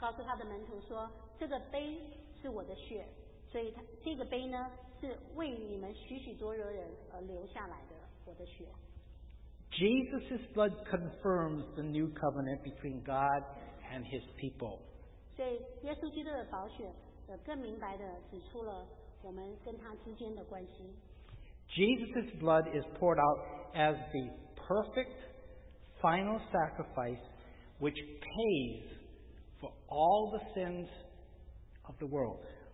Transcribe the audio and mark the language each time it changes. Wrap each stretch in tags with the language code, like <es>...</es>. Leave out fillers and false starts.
<zh>所以他拿起那个饼祝谢了，然后他拿起杯祝谢了，他告诉他的门徒说，这个杯是我的血。所以这个杯呢，是为你们许许多多人而流下来的，我的血。</zh> <en>Jesus' blood confirms the new covenant between God and His people.</en> <zh>所以耶稣基督的宝血，更明白的指出了我们跟他之间的关系。</zh> <en>Jesus' blood is poured out as the perfect final sacrifice which pays for all the sins of the world.</en>